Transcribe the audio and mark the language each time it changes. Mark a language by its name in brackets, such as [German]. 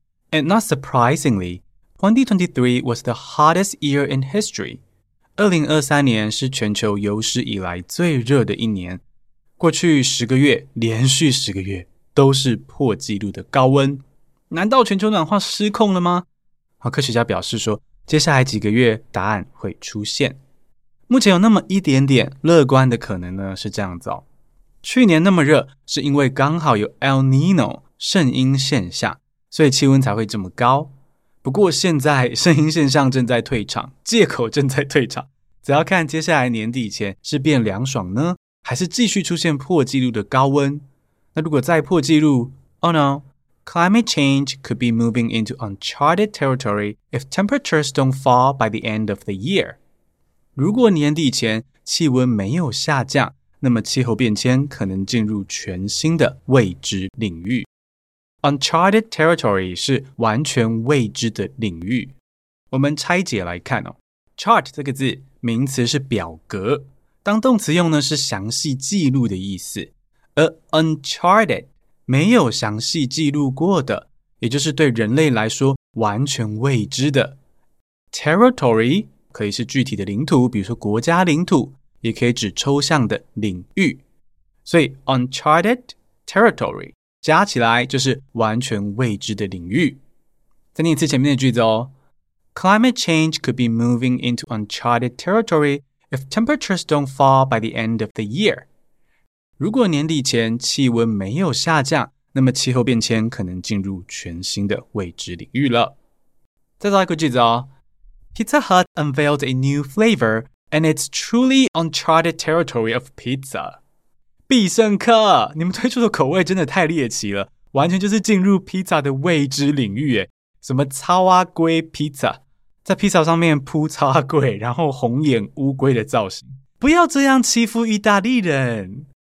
[English] And not surprisingly, 2023 was the hottest year in history. [Chinese] 2023年是全球有史以来最热的一年。过去十个月，连续十个月都是破纪录的高温。难道全球暖化失控了吗？好，科学家表示说，接下来几个月答案会出现。目前有那么一点点乐观的可能呢，是这样子哦。去年那么热，是因为刚好有 El Nino 圣婴现象，所以气温才会这么高。不过现在圣婴现象正在退场，借口正在退场，只要看接下来年底前是变凉爽呢，还是继续出现破纪录的高温。那如果再破纪录， [English] Oh no, climate change could be moving into uncharted territory if temperatures don't fall by the end of the year。 [Chinese] 如果年底前气温没有下降，那么气候变迁可能进入全新的未知领域。 Uncharted territory 是完全未知的领域。我们拆解来看哦， chart 这个字名词是表格，当动词用呢是详细记录的意思，而 uncharted 没有详细记录过的，也就是对人类来说完全未知的。 territory可以是具体的领土，比如说国家领土，也可以指抽象的领域。所以 uncharted territory 加起来就是完全未知的领域。再念一次前面的句子哦， [English] Climate change could be moving into uncharted territory if temperatures don't fall by the end of the year. [Chinese] 如果年底前气温没有下降，那么气候变迁可能进入全新的未知领域了。再造一个句子哦， [English] Pizza Hut unveiled a new flavor, and it's truly uncharted territory of pizza. [Chinese] 必胜客，你们推出的口味真的太猎奇了，完全就是进入 pizza 的未知领域耶。什么超阿龟 pizza， 在 pizza 上面铺超阿龟，然后红眼乌龟的造型，不要这样欺负意大利人。